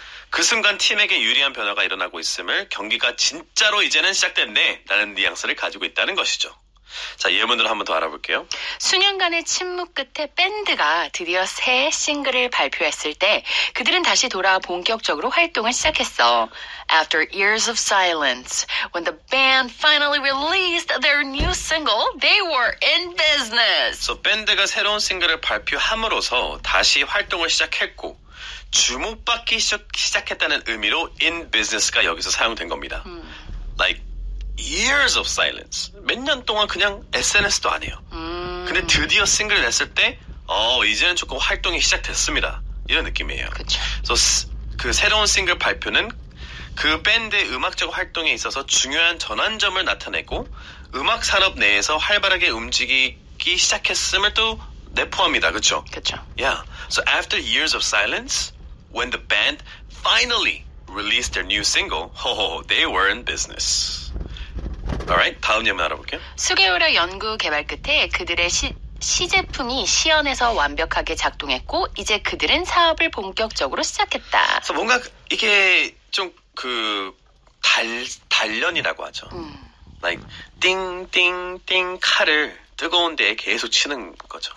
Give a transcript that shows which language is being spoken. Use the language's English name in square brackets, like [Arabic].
[Korean] 그 순간 팀에게 유리한 변화가 일어나고 있음을 경기가 진짜로 이제는 시작됐네 라는 뉘앙스를 가지고 있다는 것이죠. 자, 예문으로 한번 더 알아볼게요. 수년간의 침묵 끝에 밴드가 드디어 새 싱글을 발표했을 때 그들은 다시 돌아와 본격적으로 활동을 시작했어. [English] After years of silence, when the band finally released their new single, they were in business. [Korean] So, 밴드가 새로운 싱글을 발표함으로써 다시 활동을 시작했고 주목받기 시작했다는 의미로 in business가 여기서 사용된 겁니다. [English] Like years of silence. [Korean] 몇 년 동안 그냥 SNS도 안 해요. 근데 드디어 싱글을 냈을 때 이제는 조금 활동이 시작됐습니다. 이런 느낌이에요. 그쵸. So, 그 새로운 싱글 발표는 그 밴드의 음악적 활동에 있어서 중요한 전환점을 나타내고 음악 산업 내에서 활발하게 움직이기 시작했음을 또 내포합니다. 그렇죠? 그렇죠. [English] Yeah. So after years of silence, when the band finally released their new single, they were in business. [Korean] Alright, 다음 예문 알아볼게요. 수개월의 연구 개발 끝에 그들의 시제품이 시연에서 완벽하게 작동했고 이제 그들은 사업을 본격적으로 시작했다. 그래서 뭔가 이게 좀 그 단련이라고 하죠. Like 띵띵띵 칼을 뜨거운 데에 계속 치는 거죠.